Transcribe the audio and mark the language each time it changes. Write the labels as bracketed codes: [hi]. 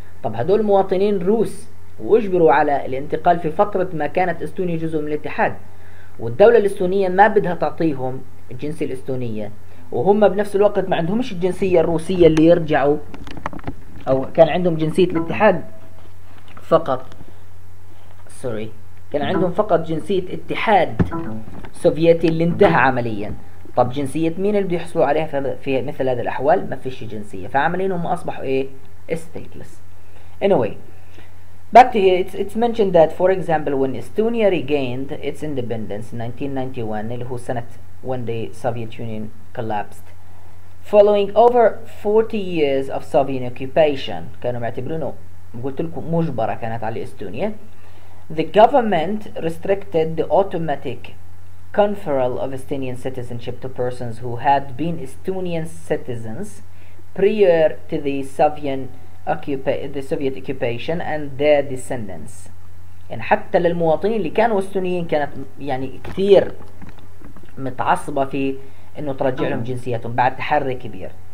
[ar] طب هدول مواطنين روس وأجبروا على الانتقال في فترة ما كانت استونيا جزء من الاتحاد، والدولة الاستونية ما بدها تعطيهم الجنسية الاستونية، وهم بنفس الوقت ما عندهمش الجنسية الروسية اللي يرجعوا، أو كان عندهم جنسية الاتحاد فقط، سوري، كان عندهم فقط جنسية اتحاد سوفيتي اللي انتهى عمليا. طب جنسية مين اللي بيحصلوا عليها في مثل هذه الأحوال؟ ما فيش جنسية، فعمليا هم أصبحوا إيه؟ استيتلس. [en] Anyway, back to here, it's mentioned that for example when Estonia regained its independence in 1991 [ar] اللي هو سنة [en] when the Soviet Union collapsed following over 40 years of Soviet occupation، [ar] كانوا معتبرونه قلت لكم مجبرة كانت على إستونيا. [en] The government restricted the automatic conferral of Estonian citizenship to persons who had been Estonian citizens prior to the Soviet occupation and their descendants. [ar] يعني حتى للمواطنين اللي كانوا استونيين كانت يعني كثير متعصبة في انه ترجع لهم جنسياتهم بعد تحري كبير.